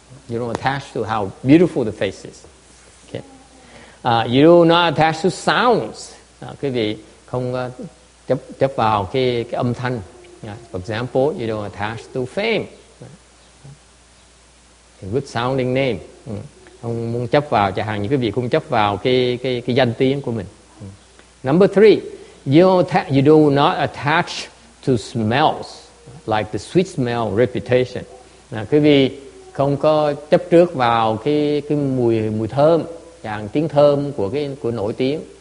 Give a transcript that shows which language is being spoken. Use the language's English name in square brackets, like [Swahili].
[English] You don't attach to how beautiful the face is. Okay. You do not attach to sounds. [Vietnamese] Quý vị không chấp vào cái âm thanh. [English] For example, you don't attach to fame. A good sounding name. [Vietnamese] Không muốn chấp vào, chẳng hạn như quý vị không chấp vào cái danh tiếng của mình. [English] Number three, you do not attach to smells, like the sweet smell reputation. [Vietnamese] Quý vị không có chấp trước vào cái mùi thơm, chẳng tiếng thơm của nổi tiếng.